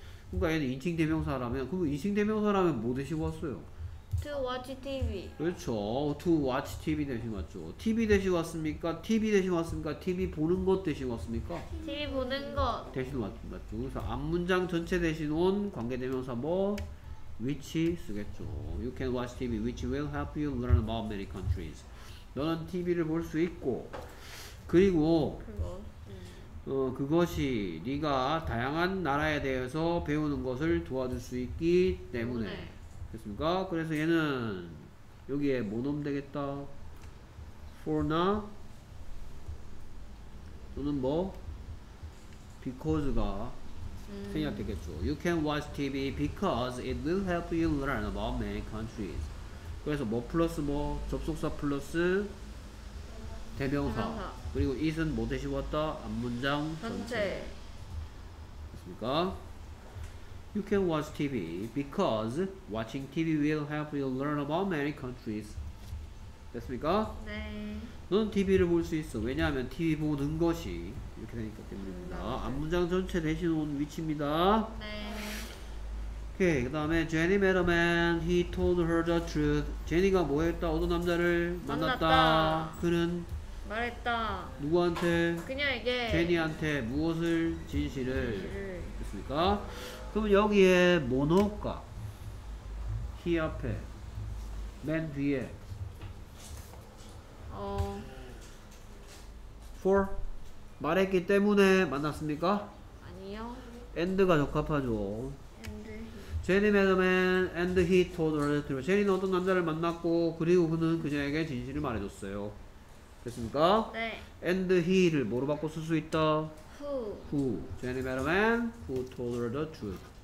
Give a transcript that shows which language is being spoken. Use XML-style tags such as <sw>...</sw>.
<ko>그러니까 얘는 인칭 대명사라면 그럼 인칭 대명사라면 뭐 대시고 왔어요?</ko> <en>To watch TV.</en> <ko>그렇죠.</ko> <en>To watch TV</en> <ko>대시고 왔죠. TV 대시고 왔습니까? TV 대시고 왔습니까? TV 보는 것 대시고 왔습니까? TV 보는 것 대시고 왔죠. 그래서 앞문장 전체 대신 온 관계 대명사 뭐? Which 쓰겠죠.</ko> <en>You can watch TV which will help you learn about many countries.</en> <ko>너는 TV를 볼 수 있고 그리고 그것이 네가 다양한 나라에 대해서 배우는 것을 도와줄 수 있기 때문에 네. 됐습니까? 그래서 얘는 여기에 뭐 넣으면 되겠다? for나 또는 뭐? because가 생략되겠죠.</ko> <en>You can watch TV because it will help you learn about many countries.</en> <ko>그래서 뭐 플러스 뭐? 접속사 플러스 대명사. 그리고 it은 뭐 대신 왔다? 앞문장 전체. 됐습니까?</ko> <en>You can watch TV because watching TV will help you learn about many countries.</en> <ko>됐습니까? 네. 너는 TV를 볼 수 있어. 왜냐하면 TV 보는 것이 이렇게 되니까 때문입니다. 앞문장 전체 대신 온 위치입니다. 네. 오케이. 그 다음에</ko> <en>Jenny met a man. He told her the truth.</en> <ko>제니가 뭐 했다? 어떤 남자를 만났다. 그는 말했다. 누구한테? 그녀에게. 제니한테 무엇을? 진실을. 됐습니까? 그럼 여기에 뭐 넣을까? He 앞에. 맨 뒤에.</ko> <en>For?</en> <ko>말했기 때문에 만났습니까? 아니요. And가 적합하죠.</ko> <en>And. Jenny met a man and he told her the truth.</en> <ko>Jenny는 어떤 남자를 만났고 그리고 그는 그녀에게 진실을 말해줬어요. 됐습니까? 네.</ko> <en>And he</en> <ko>를 뭐로 바꿔 쓸 수 있다?</ko> <en>Who. Jenny met a man who told her the truth.</en>